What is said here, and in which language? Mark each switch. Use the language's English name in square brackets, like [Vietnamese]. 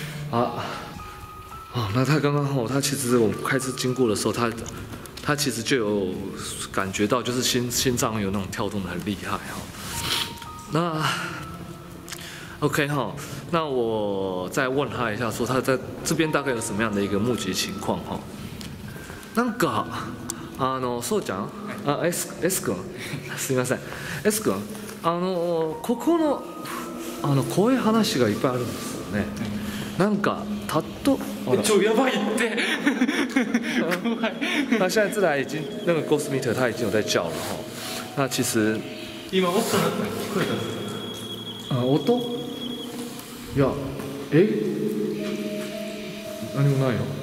[Chinese] 好，那他刚刚哦，他其实我们开车经过的时候，他其实就有感觉到，就是心脏有那种跳动的很厉害哈。那。 OK 哈，那我再问他一下，说他在这边大概有什么样的一个目击情况哈？ [Japanese] なんか、そうじゃん、あ、S君、すみません、S君、ここの、怖い話がいっぱいあるんですよね。なんか、たっと、ちょ、やばいって、怖い。 [Chinese] 那现在这台已经那个 Ghost Meter 他已经有在叫了哈。那其实， [Japanese] 今音が聞こえた。音？いや、え？何もないよ。